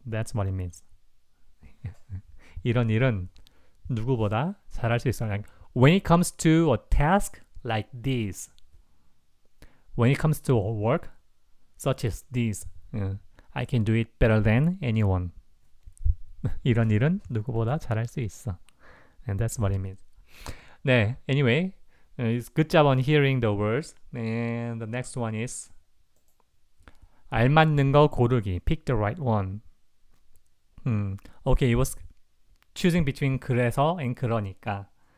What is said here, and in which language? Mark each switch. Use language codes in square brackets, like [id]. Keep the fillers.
[en] That's what it means. [ko] 이런 이런 누구보다 잘할 수 있어. [en] 그냥, when it comes to a task like this, when it comes to a work such as this, I can do it better than anyone. [ko] 이런 일은 누구보다 잘할 수 있어. [en] And that's what it means. 네, anyway, it's good job on hearing the words. And the next one is [ko] 알맞는 거 고르기. [en] Pick the right one. 음, okay, it was choosing between 그래서 and 그러니까.